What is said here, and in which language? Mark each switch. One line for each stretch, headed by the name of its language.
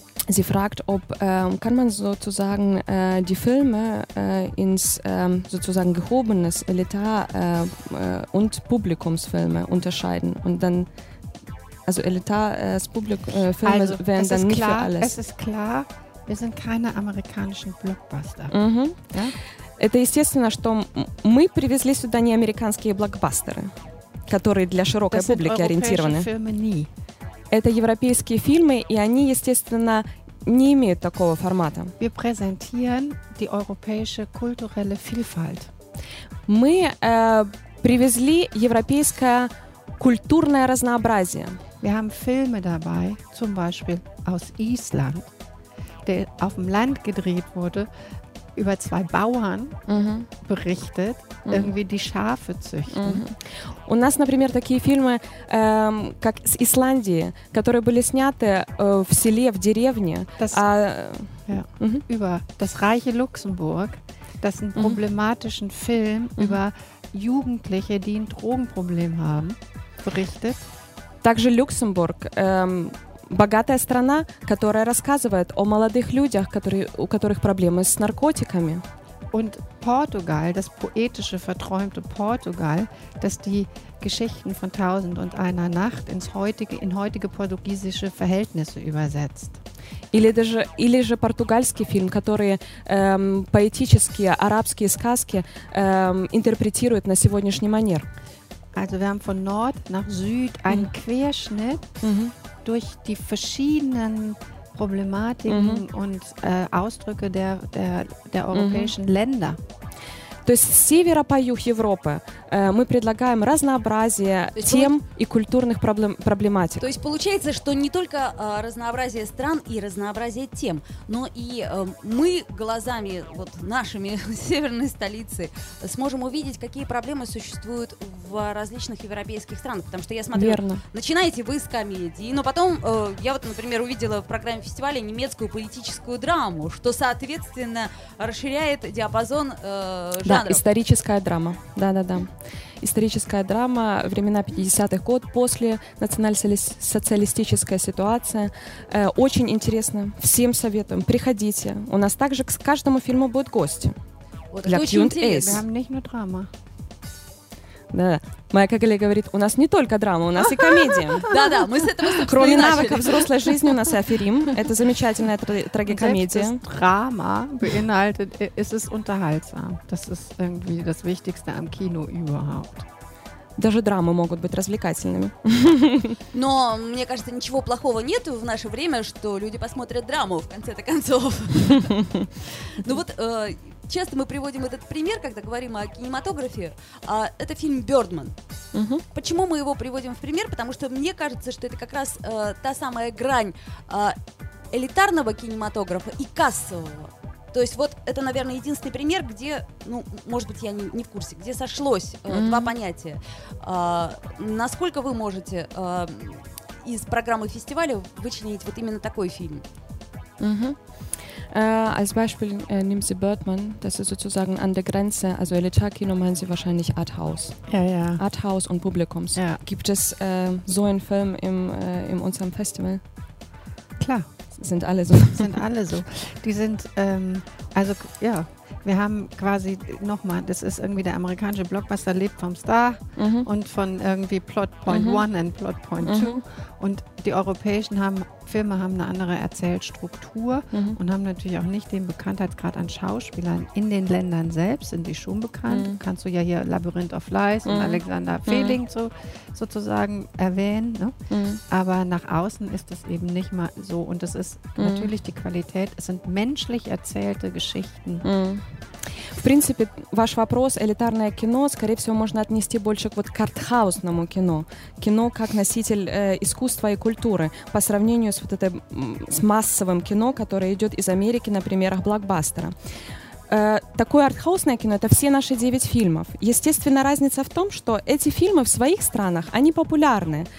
German: Sie fragt, ob kann man sozusagen die Filme ins sozusagen gehobenes Elitar und Publikumsfilme unterscheiden und dann also Elitar Publikumsfilme also, wären dann nicht klar, für alles. Es ist klar, wir sind keine amerikanischen Blockbuster. Mhm. Ja?
Russian: Это естественно, что мы привезли сюда не американские блокбастеры, которые для широкой
German: das
Russian: публики ориентированы.
German: Filme nie.
Russian: Это европейские фильмы, и они, естественно, не имеют такого формата.
German: Wir präsentieren die europäische kulturelle Vielfalt.
Russian: Мы привезли европейское культурное разнообразие.
German: Wir haben Filme dabei, zum Beispiel aus Island, der auf dem Land gedreht wurde, über zwei Bauern berichtet, irgendwie die Schafe züchten.
Russian: У нас, например, такие фильмы, как с Исландии, которые были сняты в селе, в деревне.
German: Das, ja, über das reiche Luxemburg. Das ist ein problematischen Film über Jugendliche, die ein Drogenproblem haben, berichtet.
Russian: Также Люксембург. Богатая страна, которая рассказывает о молодых людях, которые, у которых проблемы с наркотиками.
German: Und Portugal, das poetische, verträumte Portugal, das die Geschichten von Tausend und einer Nacht ins heutige, in heutige portugiesische Verhältnisse übersetzt.
Russian: Или же португальский фильм, который поэтические арабские сказки интерпретирует на сегодняшний манер.
German: Also wir haben von Nord nach Süd einen Querschnitt. Durch die verschiedenen Problematiken und Ausdrücke der europäischen Länder.
Russian: То есть с севера по юг Европы мы предлагаем разнообразие тем и культурных проблематик. То есть получается, что не только разнообразие стран и разнообразие тем, но и мы глазами вот, нашими северной столицы сможем увидеть, какие проблемы существуют в различных европейских странах. Потому что я смотрю, верно. Начинаете вы с комедии, но потом я вот, например, увидела в программе фестиваля немецкую политическую драму, что, соответственно, расширяет диапазон Да, историческая драма. Да-да-да. Историческая драма, времена 50-х год, после национал-социалистической ситуации. Очень интересно. Всем советуем. Приходите. У нас также к каждому фильму будут гости. Вот для Q&A. Мы не только драма. Да, моя коллега говорит, у нас не только драма, у нас и комедия. Да-да, мы с этого начали. Кроме навыка взрослой жизни у нас и аферим. Это замечательная трагикомедия.
German: Драма beinhaltet, es ist unterhaltsam. Das ist irgendwie das Wichtigste am Kino überhaupt.
Russian: Даже драмы могут быть развлекательными. Но, мне кажется, ничего плохого нет в наше время, что люди посмотрят драму в конце-то концов. Ну вот... Часто мы приводим этот пример, когда говорим о кинематографе. Это фильм «Бёрдман». Почему мы его приводим в пример? Потому что мне кажется, что это как раз та самая грань элитарного кинематографа и кассового. То есть вот это, наверное, единственный пример, где, ну, может быть, я не в курсе, где сошлось два понятия. Насколько вы можете из программы фестиваля вычленить вот именно такой фильм?
German: Als Beispiel nehmen Sie Birdman, das ist sozusagen an der Grenze, also Elitarkino meinen Sie wahrscheinlich Arthouse. Ja, ja. Arthouse und Publikums. Ja. Gibt es so einen Film in unserem Festival? Klar. Sind alle so. Sind alle so. Die sind, also ja, wir haben quasi nochmal, das ist irgendwie der amerikanische Blockbuster lebt vom Star und von irgendwie Plot Point 1 und Plot Point 2. Und die europäischen Filme haben eine andere Erzählstruktur und haben natürlich auch nicht den Bekanntheitsgrad an Schauspielern in den Ländern selbst, sind die schon bekannt. Kannst du ja hier Labyrinth of Lies und Alexander Fehling sozusagen erwähnen. Ne? Aber nach außen ist das eben nicht mal so. Und das ist natürlich die Qualität. Es sind menschlich erzählte Geschichten.
Russian: В принципе, ваш вопрос, элитарное кино, скорее всего, можно отнести больше к вот картхаусному кино. Кино как носитель искусства и культуры по сравнению с, вот этой, с массовым кино, которое идет из Америки на примерах блокбастера. Такое артхаусное кино – это все наши 9 фильмов. Естественно, разница в том, что эти фильмы в своих странах, они популярны.